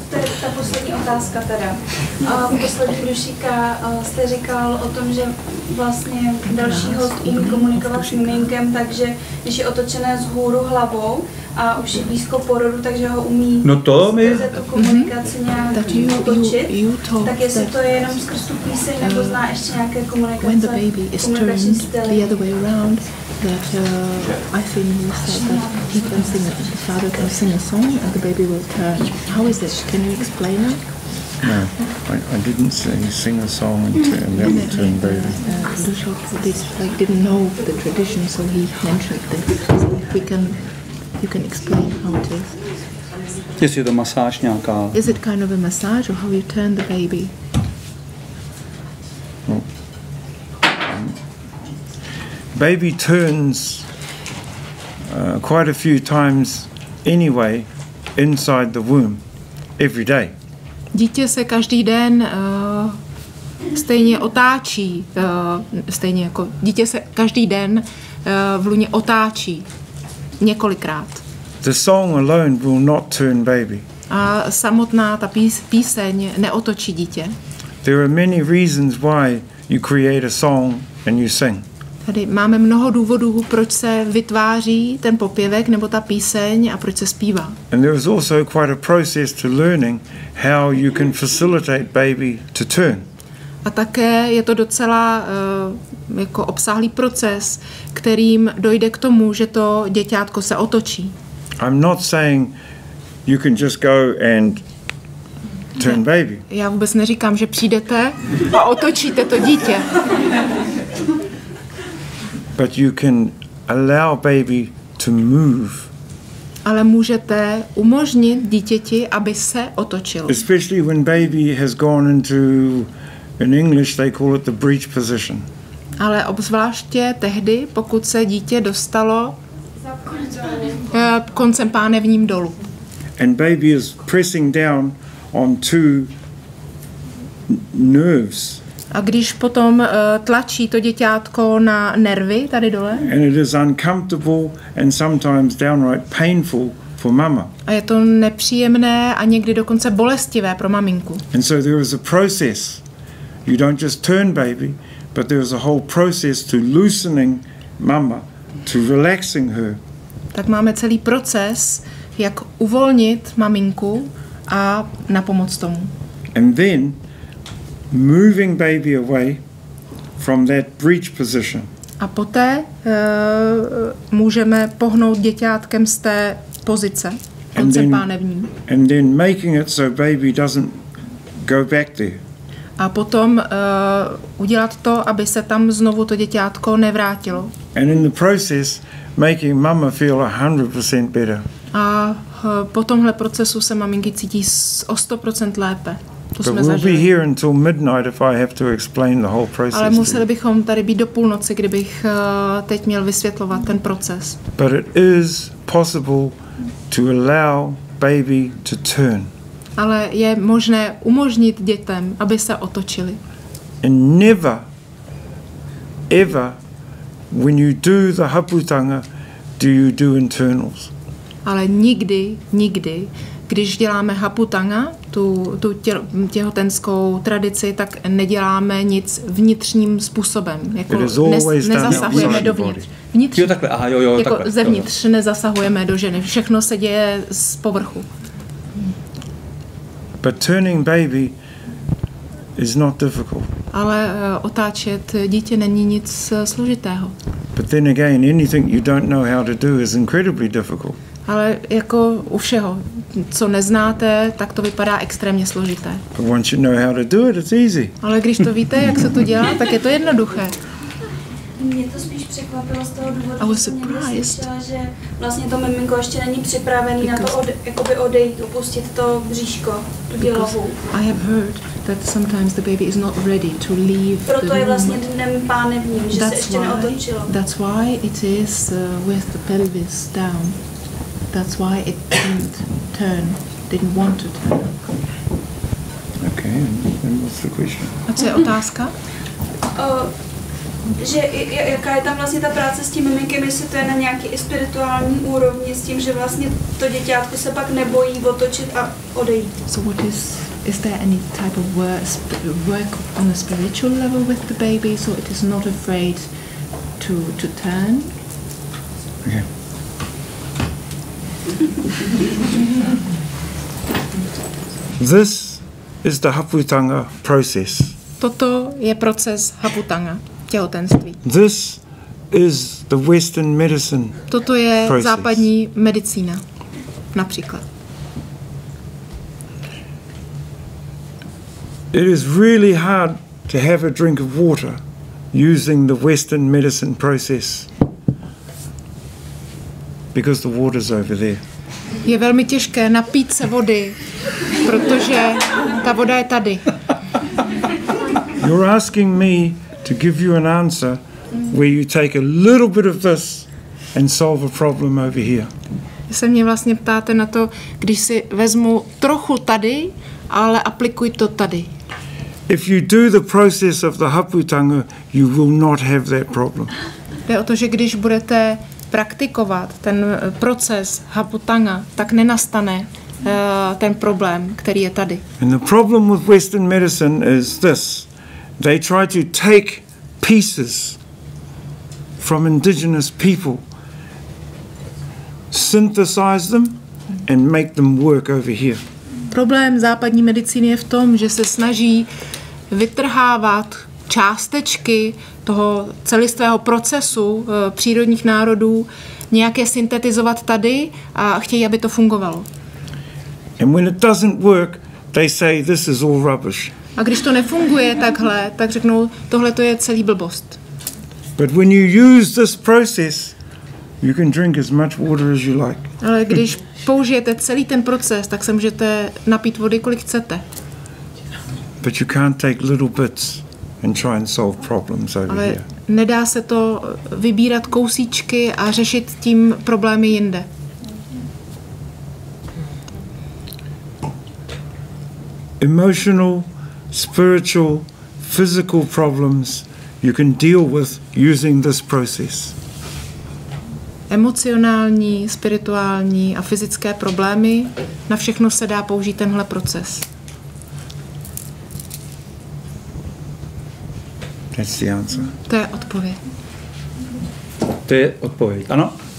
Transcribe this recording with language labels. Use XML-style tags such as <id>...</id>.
<cs>To je ta poslední otázka teda. Poslední Dušíka, jste říkal o tom, že vlastně další host umí komunikovat s miminkem, takže když je otočené z hůru hlavou a už je blízko porodu, takže ho umí skrze tu komunikaci nějaký otočit. Tak jestli to je jenom skrz tu píseň, nebo zná ještě nějaké komunikační styly.</cs> <en>The other way around. That I think you said that he can sing a, the father can sing a song and the baby will turn. How is this? Can you explain it? No, I didn't say sing a song and then turn baby. Dushok didn't know the tradition, so he mentioned this. So if we can, you can explain how it is. Yes, you the massage,</en> <cs>nějaká.</cs> <en>Is it kind of a massage or how you turn the baby? Baby turns quite a few times anyway inside the womb every day.</en> <cs>Dítě se každý den stejně otáčí, stejně jako dítě se každý den v luně otáčí několikrát.</cs> <en>The song alone will not turn baby.</en> <cs>A samotná ta píseň neotočí dítě.</cs> <en>There are many reasons why you create a song and you sing.</en> <cs>Tady máme mnoho důvodů, proč se vytváří ten popěvek nebo ta píseň a proč se zpívá.</cs> <en>And there is also quite a process to learning how you can facilitate baby to turn.</en> <cs>A také je to docela jako obsáhlý proces, kterým dojde k tomu, že to děťátko se otočí.</cs> <en>I'm not saying you can just go and turn baby.</en> <cs>Já vůbec neříkám, že přijdete a otočíte to dítě.</cs> <en>But you can allow baby to move.</en> <cs>Ale můžete umožnit dítěti, aby se otočilo.</cs> <en>Especially when baby has gone into, in English they call it the breech position.</en> <cs>Ale obzvláště tehdy, pokud se dítě dostalo koncem pánevním dolů.</cs> <en>And baby is pressing down on two nerves.</en> <cs>A když potom tlačí to děťátko na nervy tady dole.</cs> <en>And it is uncomfortable and sometimes downright painful for mama.</en> <cs>A je to nepříjemné a někdy dokonce bolestivé pro maminku.</cs> <en>And so there is a process. You don't just turn baby, but there is a whole process to loosening mama, to relaxing her.</en> <cs>Tak máme celý proces, jak uvolnit maminku a napomoc tomu.</cs> <en>And then moving baby away from that breech position.</en> <cs>A poté můžeme pohnout děťátkem z té pozice, konce pánevní.</cs> <en>And then making it so baby doesn't go back there.</en> <cs>A potom udělat to, aby se tam znovu to děťátko nevrátilo.</cs> <en>And in the process making mama feel 100% better.</en> <cs>A po tomhle procesu se maminky cítí o 100% lépe.</cs> <en>But we'll be here until midnight if I have to explain the whole process.</en> <cs>Ale museli bychom tady být do půlnoci, kdybych teď měl vysvětlovat ten proces.</cs> <en>But it is possible to allow baby to turn.</en> <cs>Ale je možné umožnit dětem, aby se otočili.</cs> <en>And never, ever, when you do the haputanga, do you do internals.</en> <cs>Ale nikdy, nikdy, když děláme haputanga, těhotenskou tradici, tak neděláme nic vnitřním způsobem. Jako nezasahujeme dovnitř. Vnitř, jo, takhle, aha, jo, jako takhle, zevnitř jo. Nezasahujeme do ženy. Všechno se děje z povrchu.</cs> <en>But turning baby is not difficult.</en> <cs>Ale otáčet dítě není nic složitého.</cs> <en>But then again, anything you don't know how to do is incredibly difficult.</en> <cs>Ale jako u všeho, co neznáte, tak to vypadá extrémně složité.</cs> <en>But once you know how to do it, it's easy.</en> <cs>Ale když to víte, jak se to dělá, tak je to jednoduché. Mě to spíš překvapilo z toho důvodu, že jsem někdy slyšela, že vlastně to miminko ještě není připravený na to jakoby odejít, opustit to bříško, tu dělohu.</cs> <en>I have heard that sometimes the baby is not ready to leave.</en> <cs>Proto</cs> <en>the</en> <cs>je vlastně dnem pánevním, že</cs> <en>that's</en> <cs>se ještě neotočilo.</cs> <en>That's why it is with the pelvis down. That's why it didn't turn, didn't want to turn. Okay, and what's the question?</en> <cs>A co je otázka? Že jaká je tam vlastně ta práce s tím miminkem, jestli to je na nějaký i spirituální úrovni s tím, že vlastně to děťátko se pak nebojí otočit a odejít.</cs> <en>So what is there any type of work on a spiritual level with the baby, so it is not afraid to turn? Okay. This is the Hapūtanga process.</en> <cs>Toto je proces Hapūtanga, těhotenství.</cs> <en>This is the Western medicine.</en> <cs>Toto je process. Západní medicína, například.</cs> <en>It is really hard to have a drink of water using the Western medicine process because the water's over there.</en> <cs>Je velmi těžké napít se vody, protože ta voda je tady.</cs> <en>You're asking me to give you an answer where you take a little bit of this and solve a problem over here.</en> <cs>Vy se mě vlastně ptáte na to, když si vezmu trochu tady, ale aplikuji to tady.</cs> <en>If you do the process of the Hapūtanga, you will not have that problem.</en> <cs>Jde o to, že když budete praktikovat ten proces Hapūtanga, tak nenastane ten problém, který je tady.</cs> <en>And the problem with Western medicine is this. They try to take pieces from indigenous people, synthesize them and make them work over here.</en> <cs>Problém západní medicíny je v tom, že se snaží vytrhávat částečky toho celistvého procesu přírodních národů, nějaké syntetizovat tady a chtějí, aby to fungovalo.</cs> <en>And when it doesn't work, they say this is all rubbish.</en> <cs>A když to nefunguje takhle, tak řeknou, tohle to je celý blbost.</cs> <en>But when you use this process, you can drink as much water as you like.</en> <cs>Ale když použijete celý ten proces, tak se můžete napít vody, kolik chcete.</cs> <en>But you can't take little bits and try and solve problems over here.</en> <cs>Ale nedá se to vybírat kousíčky a řešit tím problémy jinde.</cs> <en>Emotional, spiritual, physical problems you can deal with using this process.</en> <cs>Emocionální, spirituální a fyzické problémy, na všechno se dá použít tenhle proces.</cs> <en>That's the answer.</en> <cs>To je odpověď. To je odpověď, ano?</cs>